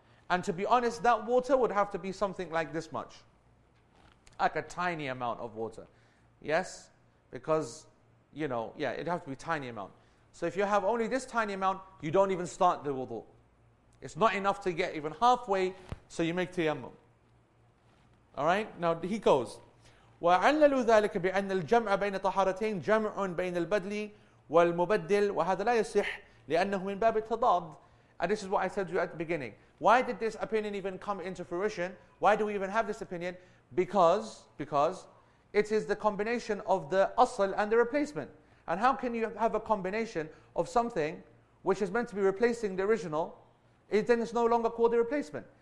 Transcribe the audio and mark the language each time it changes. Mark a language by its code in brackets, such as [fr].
[en] And to be honest, that water would have to be something like this much. Like a tiny amount of water. Yes? Because, you know, yeah, it'd have to be a tiny amount. So if you have only this tiny amount, you don't even start the wudu. It's not enough to get even halfway, so you make tayammum. All right. Now he goes. [ar] وعلل ذلك بأن الجمع بين طهارتين جمع بين البدل والمبدل وهذا لا يصح لأنه من باب التضاد. [en] And this is what I said to you at the beginning. Why did this opinion even come into fruition? Why do we even have this opinion? Because it is the combination of the أصل and the replacement. And how can you have a combination of something which is meant to be replacing the original, then it's no longer called the replacement?